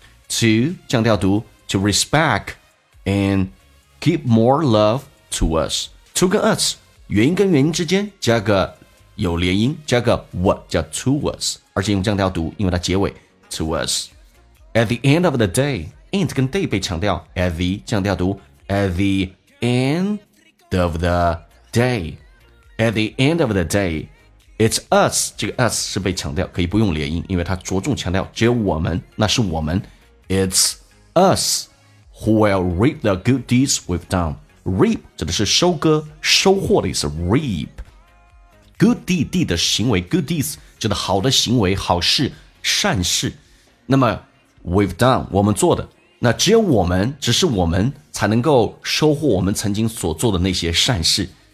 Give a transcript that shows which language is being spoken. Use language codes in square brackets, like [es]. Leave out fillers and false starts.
[zh] To 降调读 [en] to respect and give more love to us， [zh] to 跟 us 元音跟元音之间加个有连音，加个 what 叫 to us， 而且用降调读，因为它结尾 to us。 [en] At the end of the day。 And 跟 day 被强调 at the 降调读 at the end end of the day. At the end of the day, it's us. [zh] 这个 us 是被强调，可以不用连音，因为它着重强调只有我们，那是我们。 [en] It's us who will reap the good deeds we've done. [zh] Reap 指的是收割、收获的意思。 [en] Reap good deed, [zh] deed 的行为 ，good deeds 指的好的行为、好事、善事。那么 we've done 我们做的，那只有我们，只是我们才能够收获我们曾经所做的那些善事。